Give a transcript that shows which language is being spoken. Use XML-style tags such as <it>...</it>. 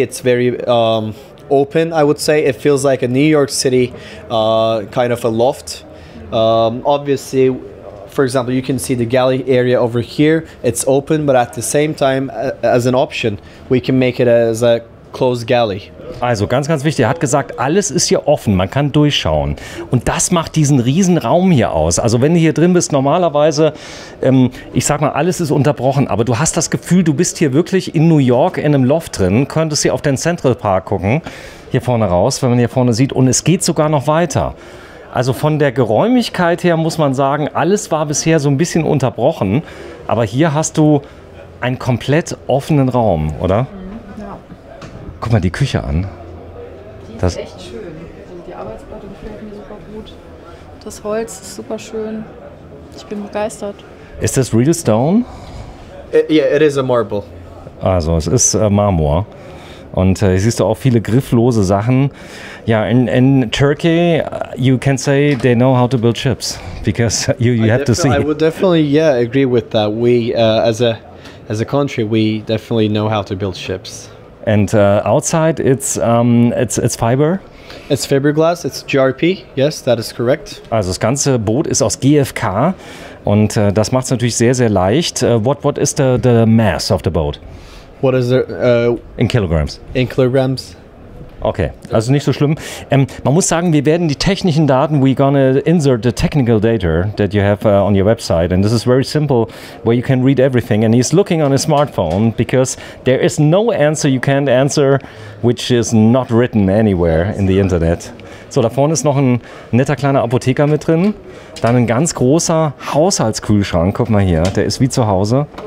<en>It's very open, I would say. It feels like a New York City kind of a loft. Obviously, for example, you can see the galley area over here. It's open, but at the same time, as an option, we can make it as a closed galley.</en> <de>Also ganz, ganz wichtig, er hat gesagt, alles ist hier offen, man kann durchschauen. Und das macht diesen riesen Raum hier aus. Also wenn du hier drin bist, normalerweise, ich sag mal, alles ist unterbrochen, aber du hast das Gefühl, du bist hier wirklich in New York in einem Loft drin, könntest hier auf den Central Park gucken, hier vorne raus, wenn man hier vorne sieht, und es geht sogar noch weiter. Also von der Geräumigkeit her muss man sagen, alles war bisher so ein bisschen unterbrochen, aber hier hast du einen komplett offenen Raum, oder? Ja. Guck mal die Küche an. Die das ist echt schön. Die Arbeitsplatte gefällt mir super gut. Das Holz ist super schön. Ich bin begeistert. Ist das</de> <en>real stone? Yeah, it is a marble.</en> <de>Also es ist Marmor. Und hier siehst du auch viele grifflose Sachen.</de> <en>Ja, in Turkey, you can say they know how to build ships, because you have to see. I would definitely, yeah, agree with that. We, as a country, we definitely know how to build ships. And outside, it's fiber. It's fiberglass. It's GRP. Yes, that is correct.</en> <de>Also das ganze Boot ist aus GFK, und das macht es natürlich sehr, sehr leicht.</de> <en>What is the mass of the boat? What is it? In kilograms. In kilograms.</en> <de>Okay, also nicht so schlimm. Man muss sagen, wir werden die technischen Daten,</de> <en>we're gonna insert the technical data that you have on your website, and this is very simple, where you can read everything. And he's looking on his smartphone, because there is no answer you can't answer, which is not written anywhere in the internet.</en> <de>So, da vorne ist noch ein netter kleiner Apotheker mit drin. Dann ein ganz großer Haushaltskühlschrank, guck mal hier, der ist wie zu Hause.</de>